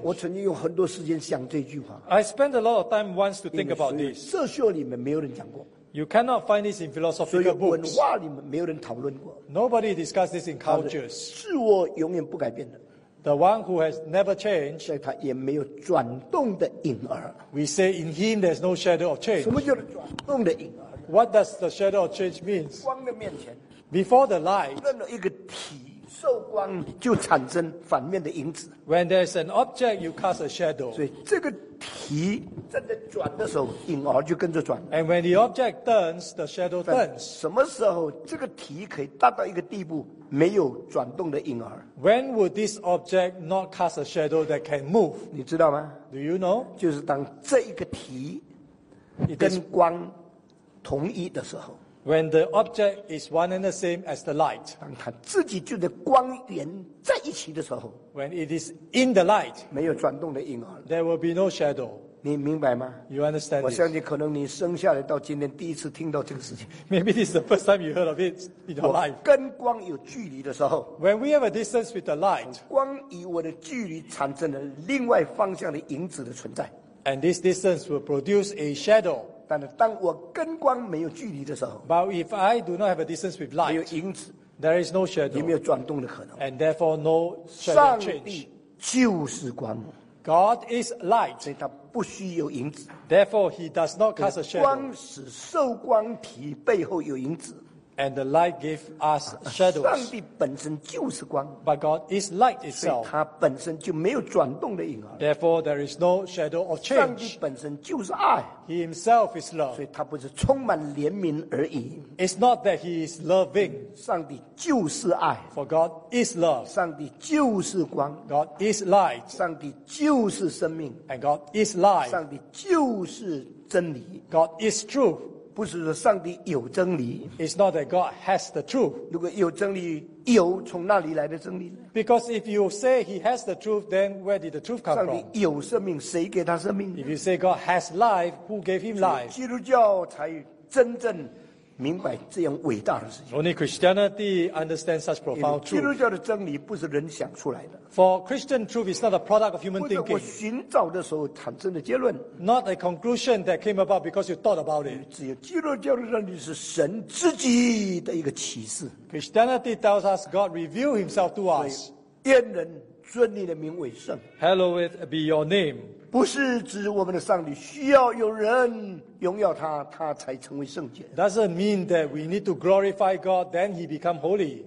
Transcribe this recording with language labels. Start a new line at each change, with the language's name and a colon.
Chinese: 我曾经有很多时间想这句话。
English: I spent a lot of time once to think about this.
Chinese: 哲学里面没有人讲过。
English: You cannot find this in philosophical books.
Chinese: 所以文化里面没有人讨论过。
English: Nobody discussed this in cultures.
Chinese: 自我永远不改变的。
English: The one who has never changed.
Chinese: 所以他也没有转动的影儿。
English: We say in him there's no shadow of change.
Chinese: 什么叫转动的影儿？
English: What does the shadow of change mean?
Chinese: 光的面前。
English: Before the light,
Chinese: 任何一个体受光就产生反面的影子。
English: When there is an object, you cast a shadow.
Chinese: 所以这个体真的转的时候，影儿就跟着转。
English: And when the object turns, the shadow turns.
Chinese: 什么时候这个体可以达到一个地步，没有转动的影儿
English: ？When would this object not cast a shadow that can move?
Chinese: 你知道吗
English: ？Do you know?
Chinese: 就是当这一个体跟光同一的时候。
English: When the object is one and the same as the light,
Chinese: 当它自己就在光源在一起的时候
English: ，When it is in the light,
Chinese: 没有转动的影儿
English: ，There will be no shadow.
Chinese: 你明白吗
English: ？You understand?
Chinese: 我相信可能你生下来到今天第一次听到这个事情。
English: Maybe this is the first time you heard of it in your life.
Chinese: 我跟光有距离的时候
English: ，When we have a distance with the light,
Chinese: 光与我的距离产生了另外方向的影子的存在
English: ，And this distance will produce a shadow.
Chinese: 但是当我跟光没有距离的时候
English: ，But if I do not have a distance with light，
Chinese: 没有影子
English: ，There is no shadow，
Chinese: 也没有转动的可能
English: ，And therefore no shadow change。
Chinese: 上帝就是光
English: ，God is light，
Chinese: 所以他不需要影子
English: ，Therefore he does not cast a shadow。
Chinese: 光使受光体背后有影子
English: ，And the light gave us shadows。
Chinese: 上帝本身就是光
English: ，But God is light itself，
Chinese: 所以他本身就没有转动的影儿
English: ，Therefore there is no shadow of change。
Chinese: 上帝本身就是爱。
English: He himself is love.
Chinese: 所以他不是充满怜悯而已。
English: It's not that he is loving.
Chinese: 上帝就是爱。
English: For God is love.
Chinese: 上帝就是光。
English: God is light.
Chinese: 上帝就是生命。
English: And God is life.
Chinese: 上帝就是真理。
English: God is truth.
Chinese: 不是说上帝有真理。
English: It's not that God has the truth.
Chinese: 如果有真理，有从那里来的真理。
English: Because if you say he has the truth, then where did the truth come from?
Chinese: 上帝有生命，谁给他生命？
English: If you say God has life, who gave him life?
Chinese: 基督教才真正明白这样伟大的事情。
English: Only Christianity understands such profound truth.
Chinese: 基督教的真理不是人想出来的。
English: For Christian truth is not a product of human thinking.
Chinese: 不是我寻找的时候产生的结论。
English: Not a conclusion that came about because you thought about it.
Chinese: 只有基督教的真理是神自己的一个启示。
English: Christianity tells us God revealed himself to us.
Chinese: 愿人尊你的名为圣。
English: Hallowed be your name.
Chinese: 不是指我们的上帝需要有人荣耀他，他才成为圣洁。
English: Doesn't mean that we need to glorify God, then he become holy.